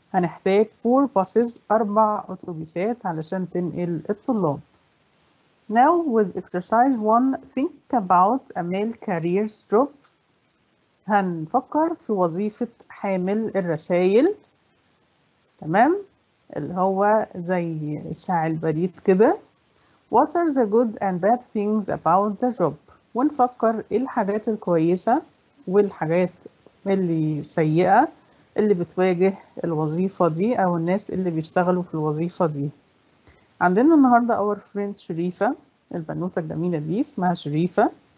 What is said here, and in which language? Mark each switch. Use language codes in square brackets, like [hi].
[ar] هنحتاج 4 buses, 4 أتوبيسات علشان تنقل الطلاب. [en] Now with exercise 1, think about a male carrier's job. [ar] هنفكر في وظيفة حامل الرسائل. تمام؟ اللي هو زي ساع البريد كده. [en] What are the good and bad things about the job? [ar] ونفكر إيه الحاجات الكويسة والحاجات اللي سيئة اللي بتواجه الوظيفة دي أو الناس اللي بيشتغلوا في الوظيفة دي. عندنا النهاردة [en] our friend [ar] شريفة البنوتة الجميلة دي اسمها شريفة.